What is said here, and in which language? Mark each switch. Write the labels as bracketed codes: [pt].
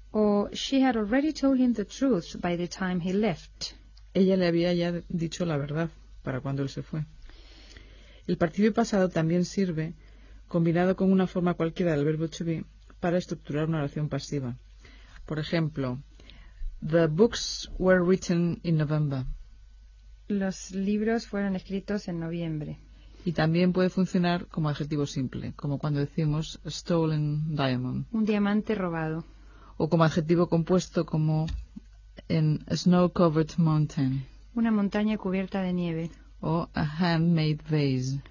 [es] O, [en] she had already told him the truth by the time he left. [es] Ella le había ya dicho la verdad para cuando él se fue. El participio pasado también sirve, combinado con una forma cualquiera del verbo to be, para estructurar una oración pasiva. Por ejemplo, [en] the books were written in November. [es] Los libros fueron escritos en noviembre. Y también puede funcionar como adjetivo simple, como cuando decimos [en] stolen diamond. [es] Un diamante robado. O como adjetivo compuesto como en [en] snow-covered mountain. [es] Una montaña cubierta de nieve. O [en] a handmade vase.